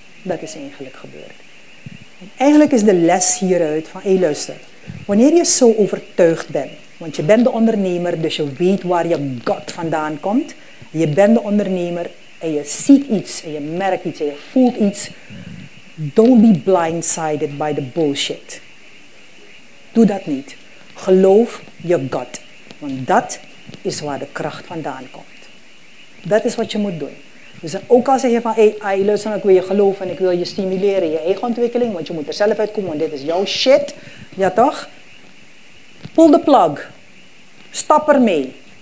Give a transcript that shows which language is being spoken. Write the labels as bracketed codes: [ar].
[nl] Dat is eigenlijk gebeurd. En eigenlijk is de les hieruit van, hey, luister, wanneer je zo overtuigd bent, want je bent de ondernemer, dus je weet waar je gut vandaan komt, je bent de ondernemer, en je ziet iets, en je merkt iets, en je voelt iets. [en] Don't be blindsided by the bullshit. [nl] Doe dat niet. Geloof je gut. Want dat is waar de kracht vandaan komt. Dat is wat je moet doen. Dus ook al zeg je van, hey, luister, ik wil je geloven en ik wil je stimuleren in je eigen ontwikkeling, want je moet er zelf uitkomen, want dit is jouw shit. Ja toch? [en] Pull the plug. [nl] Stap ermee.